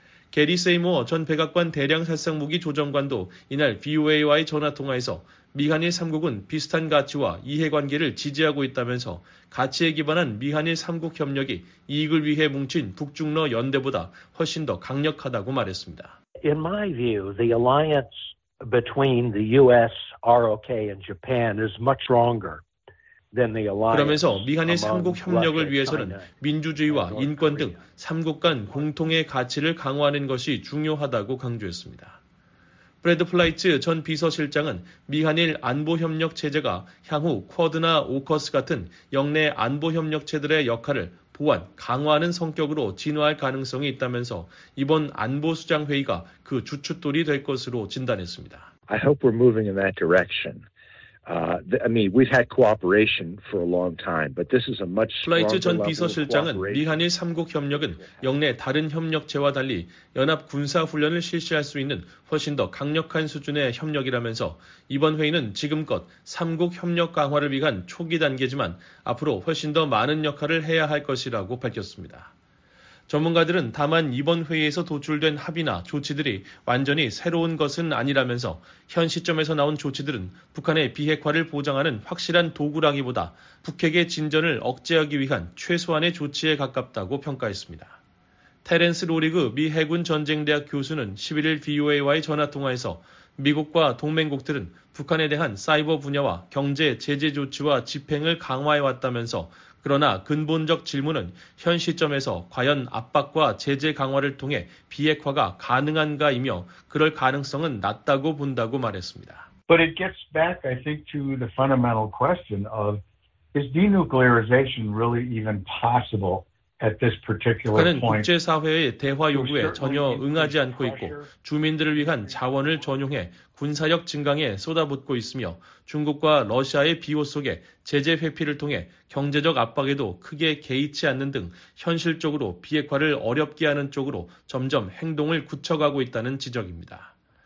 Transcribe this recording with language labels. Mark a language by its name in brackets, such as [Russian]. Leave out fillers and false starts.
[Korean] 게리 세이모어 전 백악관 대량살상무기 조정관도 이날 VOA와의 전화통화에서 미한일 3국은 비슷한 가치와 이해관계를 지지하고 있다면서 가치에 기반한 미한일 3국 협력이 이익을 위해 뭉친 북중러 연대보다 훨씬 더 강력하다고 말했습니다. [English] In my view, the alliance between the U.S., ROK, and Japan is much stronger. [Korean] 그러면서 미한일 3국 협력을 위해서는 민주주의와 인권 등 3국 간 공통의 가치를 강화하는 것이 중요하다고 강조했습니다. 브래드 플라이츠 전 비서실장은 미한일 안보협력체제가 향후 쿼드나 오커스 같은 영내 안보협력체들의 역할을 보완, 강화하는 성격으로 진화할 가능성이 있다면서 이번 안보수장회의가 그 주춧돌이 될 것으로 진단했습니다. [English] I hope we're moving in that direction. I mean, we've had cooperation for a long time, but this is a much stronger level of cooperation. [Korean] 플라이츠 전 비서실장은 미한일 3국 협력은 영내 다른 협력체와 달리 연합 군사 훈련을 실시할 수 있는 훨씬 더 강력한 수준의 협력이라면서 이번 회의는 지금껏 3국 협력 강화를 위한 초기 단계지만 앞으로 훨씬 더 많은 역할을 해야 할 것이라고 밝혔습니다. 전문가들은 다만 이번 회의에서 도출된 합의나 조치들이 완전히 새로운 것은 아니라면서 현 시점에서 나온 조치들은 북한의 비핵화를 보장하는 확실한 도구라기보다 북핵의 진전을 억제하기 위한 최소한의 조치에 가깝다고 평가했습니다. 테렌스 로리그 미 해군 전쟁대학 교수는 11일 VOA와의 전화통화에서 미국과 동맹국들은 북한에 대한 사이버 분야와 경제 제재 조치와 집행을 강화해왔다면서 그러나 근본적 질문은 현 시점에서 과연 압박과 제재 강화를 통해 비핵화가 가능한가이며 그럴 가능성은 낮다고 본다고 말했습니다. [English] But it gets back, I think, to the fundamental question of is denuclearization really even possible? [Korean] 북한은 국제사회의 대화 요구에 전혀 응하지 않고 있고 주민들을 위한 자원을 전용해 군사력 증강에 쏟아붓고 있으며 중국과 러시아의 비호 속에 제재 회피를 통해 경제적 압박에도 크게 개의치 않는 등 현실적으로 비핵화를 어렵게 하는 쪽으로 점점 행동을 굳혀가고 있다는 지적입니다.